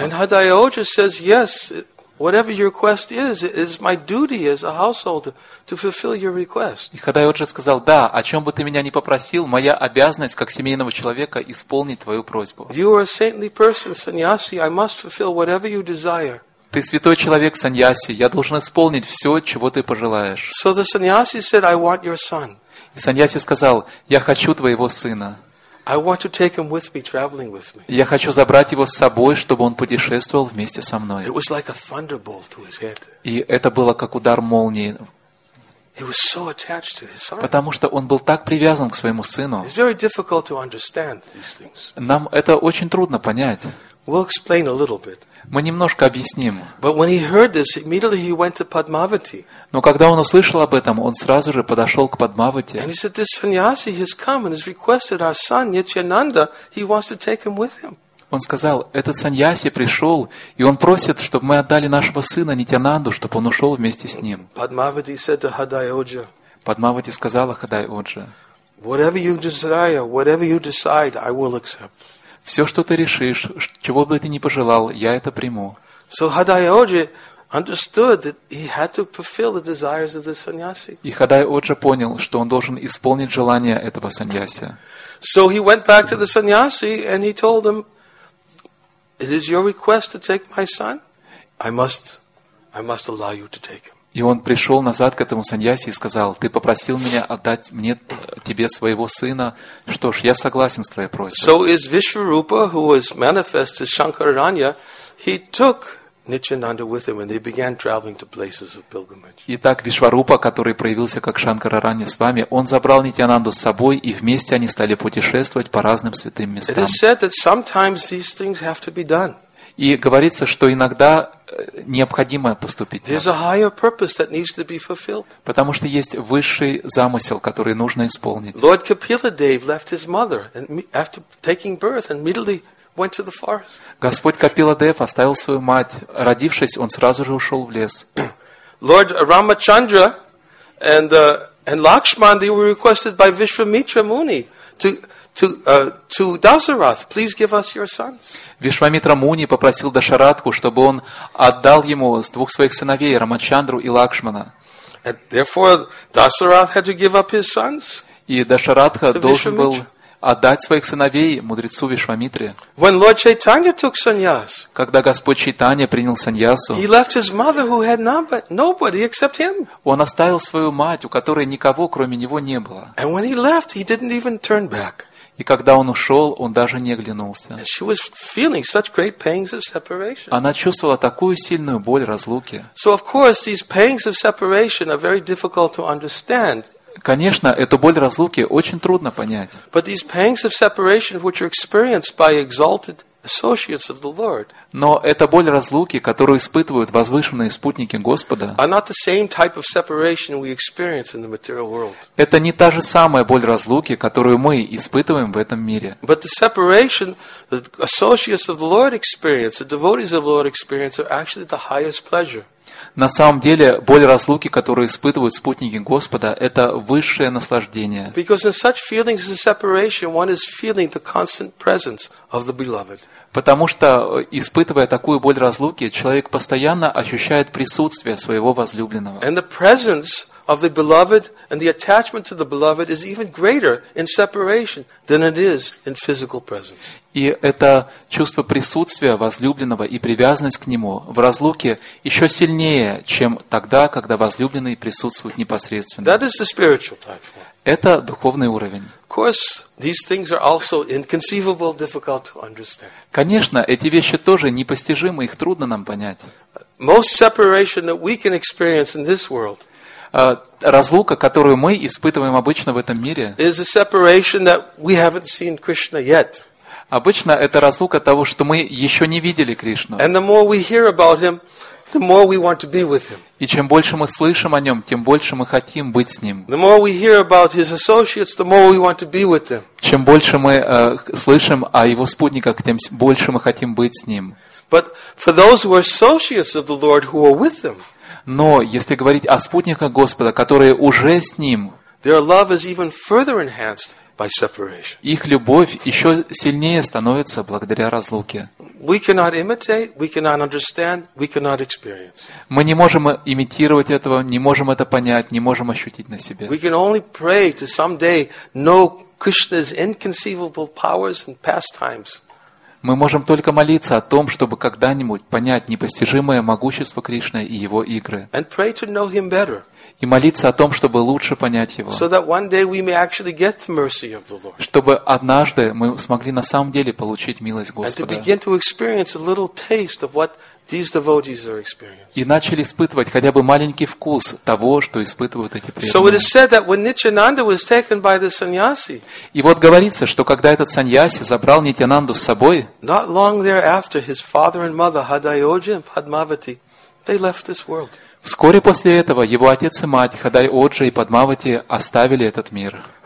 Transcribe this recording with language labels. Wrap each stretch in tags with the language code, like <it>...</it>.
<en>And Хадайоджа says, yes, whatever your request is, it is my duty as a householder to fulfill your request.</en> <ru>И Хадайоджа сказал, да, о чем бы ты меня ни попросил, моя обязанность как семейного человека исполнить твою просьбу.</ru> <en>You are a saintly person, sannyasi. I must fulfill whatever you desire.</en> <ru>Ты святой человек, саньяси. Я должен исполнить все, чего ты пожелаешь.</ru> <en>So the sannyasi said, I want your son.</en> <ru>И саньяси сказал, я хочу твоего сына.</ru> <en>I want to take him with me, traveling with me.</en> <ru>Я хочу забрать его с собой, чтобы он путешествовал вместе со мной.</ru> <en>It was like a thunderbolt to his head.</en> <ru>И это было как удар молнии.</ru> <en>He was so attached to his son.</en> <ru>Потому что он был так привязан к своему сыну.</ru> <en>It's very difficult to understand these things.</en> <ru>Нам это очень трудно понять.</ru> <en>We'll explain a little bit.</en> <ru>Мы немножко объясним.</ru> <en>But when he heard this, immediately he went to Padmavati.</en> <ru>Но когда он услышал об этом, он сразу же подошел к Падмавати.</ru> <en>And he said, this sannyasi has come and has requested our son Nityananda. He wants to take him with him.</en> <ru>Он сказал, этот саньяси пришел, и он просит, чтобы мы отдали нашего сына Нитянанду, чтобы он ушел вместе с ним.</ru> <en>Padmavati said to Хадайоджа.</en> <ru>Падмавати сказала Хадайоджа.</ru> <en>Whatever you desire, whatever you decide, I will accept.</en> <ru>Все, что ты решишь, чего бы ты ни пожелал, я это приму.</ru> <en>So Хадайоджа understood that he had to fulfill the desires of the sannyasi.</en> <ru>И Хадайоджа понял, что он должен исполнить желание этого саньяси.</ru> <en>So he went back to the sannyasi and he told him, "It is your request to take my son. I must allow you to take him."</en> <ru>И он пришел назад к этому саньяси и сказал, ты попросил меня отдать мне тебе своего сына. Что ж, я согласен с твоей просьбой.</ru> <en>So is Вишварупа, who was manifest as Шанкараранья, he took Nityananda with him and they began traveling to places of pilgrimage.</en> <ru>Итак, Вишварупа, который проявился как Шанкараранья с вами, он забрал Нитянанду с собой и вместе они стали путешествовать по разным святым местам.</ru> <en>It is said that sometimes these things have to be done.</en> <ru>И говорится, что иногда необходимо поступить.</ru> <en>There's a higher purpose that needs to be fulfilled.</en> <ru>Потому что есть высший замысел, который нужно исполнить.</ru> <en>Lord Kapila Dev left his mother and after taking birth and immediately went to the forest.</en> <ru>Господь Капила Дев оставил свою мать, родившись, он сразу же ушел в лес.</ru> <en>Lord Ramachandra and Lakshman, they were requested by Vishwamitra Muni to Dasarath, please give us your sons.</en> <ru>Вишвамитра Муни попросил Дашаратху, чтобы он отдал ему двух своих сыновей, Рамачандру и Лакшмана.</ru> <en>And therefore, Dasarath had to give up his sons.</en> <ru>И Дашаратха должен был отдать своих сыновей мудрецу Вишвамитре.</ru> <en>When Lord Chaitanya took sannyas,</en> <ru>когда Господь Чайтанья принял саньясу,</ru> <en>he left his mother who had nobody except him.</en> <ru>Он оставил свою мать, у которой никого, кроме него, не было.</ru> <en>And when he left, he didn't even turn back.</en> <ru>И когда он ушел, он даже не оглянулся.</ru> <en>She was feeling such great pangs of separation.</en> <ru>Она чувствовала такую сильную боль разлуки.</ru> <en>So of course these pangs of separation are very difficult to understand.</en> <ru>Конечно, эту боль разлуки очень трудно понять.</ru> <en>But these pangs of separation, which are experienced by exalted associates of the Lord,</en> <ru>но эта боль разлуки, которую испытывают возвышенные спутники Господа,</ru> <en>are not the same type of separation we experience in the material world.</en> <ru>Это не та же самая боль разлуки, которую мы испытываем в этом мире.</ru> <en>But the separation that associates of the Lord experience, the devotees of the Lord experience, are actually the highest pleasure.</en> <ru>На самом деле, боль разлуки, которую испытывают спутники Господа, это высшее наслаждение.</ru> <en>Because in such feelings of separation, one is feeling the constant presence of the beloved.</en> <ru>Потому что, испытывая такую боль разлуки, человек постоянно ощущает присутствие своего возлюбленного.</ru> <en>And the presence of the beloved and the attachment to the beloved is even greater in separation than it is in physical presence.</en> <ru>И это чувство присутствия возлюбленного и привязанность к нему в разлуке еще сильнее, чем тогда, когда возлюбленный присутствует непосредственно.</ru> <en>That is the spiritual platform.</en> <ru>Это духовный уровень.</ru> <en>Of course, these things are also inconceivable, difficult to understand.</en> <ru>Конечно, эти вещи тоже непостижимы, их трудно нам понять.</ru> <en>Most separation that we can experience in this world.</en> <ru>Разлука, которую мы испытываем обычно в этом мире.</ru> <en>Is a separation that we haven't seen Krishna yet.</en> <ru>Обычно это разлука того, что мы еще не видели Кришну.</ru> <en>And the more we hear about him, the more we want to be with him.</en> <ru>И чем больше мы слышим о нем, тем больше мы хотим быть с ним.</ru> <en>The more we hear about his associates, the more we want to be with them.</en> <ru>Чем больше мы слышим о его спутниках, тем больше мы хотим быть с ним.</ru> <en>But for those who are associates of the Lord who are with them.</en> <ru>Но если говорить о спутниках Господа, которые уже с ним,</ru> <en>their love is even further enhanced. By separation.</en> <ru>Их любовь еще сильнее становится благодаря разлуке.</ru> <en>We cannot imitate, we cannot understand, we cannot experience.</en> <ru>Мы не можем имитировать этого, не можем это понять, не можем ощутить на себе.</ru> <en>We can only pray to someday know Krishna's inconceivable powers and pastimes.</en> <ru>Мы можем только молиться о том, чтобы когда-нибудь понять непостижимое могущество Кришны и его игры.</ru> <en>And pray to know him better.</en> <ru>И молиться о том, чтобы лучше понять его.</ru> <en>So that one day we may actually get the mercy of the Lord.</en> <ru>Чтобы однажды мы смогли на самом деле получить милость Господа.</ru> <en>And to begin to experience a little taste of what these devotees are experiencing.</en> <ru>И начали испытывать хотя бы маленький вкус того, что испытывают эти преданные.</ru> <en>So it is said that when Nityananda was taken by the sannyasi.</en> <ru>И вот говорится, что когда этот саньяси забрал Нитянанду с собой.</ru> <en>Not long thereafter, his father and mother, Hadayoja and Padmavati, they left this world.</en> <ru>Вскоре после этого его отец и мать, Хадай Оджа и Падмавати, оставили этот мир.</ru>